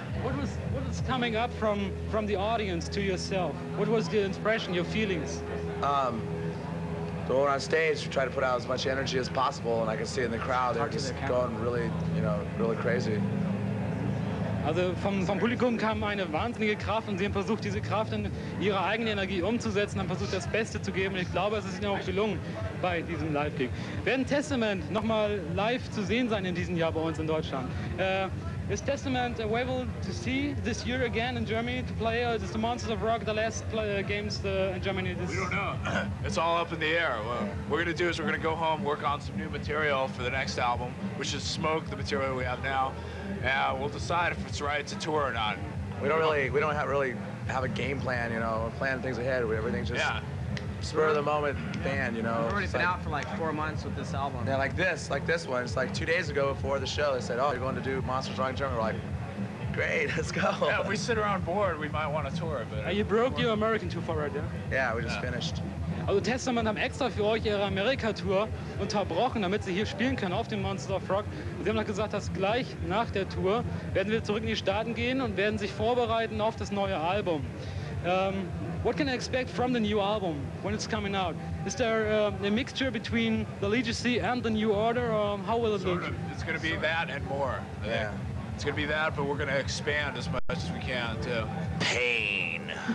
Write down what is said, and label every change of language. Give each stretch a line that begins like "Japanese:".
English: What was coming up from the audience to yourself? What was the impression, your feelings? Going on stage, we try to put out as much energy as possible, and I could see in the crowd they're just going really, really crazy.
German: Also vom Publikum kam eine wahnsinnige Kraft und sie haben versucht, diese Kraft in ihre eigene Energie umzusetzen, haben versucht, das Beste zu geben. Und ich glaube, es ist ihnen auch gelungen bei diesem Live-Gig. Werden Testament nochmal live zu sehen sein in diesem Jahr bei uns in Deutschland?
English: Is Testament available to see this year again in Germany to play? Or is this the Monsters of Rock, the last games in Germany? We don't know. It's all up in the air. What we're going to do is we're going to go home, work on some new material for the next album, which is Smoke, the material we have now. Yeah, we'll decide if it's right to tour or not. We don't really have a game plan, plan things ahead. Everything's just spur of the moment band, We've already been out for like 4 months with this album. Yeah, like this one. It's like 2 days ago before the show, they said, oh, you're going to do Monsters Rock in Germany. We're like, great, let's go. Yeah, if we sit around bored, we might want to tour. But you broke your American tour for right there. Yeah, we just finished.
German: Also Testament haben extra für euch ihre Amerika-Tour unterbrochen, damit sie hier spielen können auf dem Monsters of Rock. Sie haben gesagt, dass gleich nach der Tour werden wir zurück in die Staaten gehen und werden sich vorbereiten auf das neue Album.
English: What can I expect from the new album when it's coming out? Is there a mixture between the Legacy and the New Order, or how will it sort look? It's going to be that and more. Yeah. It's going to be that, but we're going to expand as much as we can too. Pain.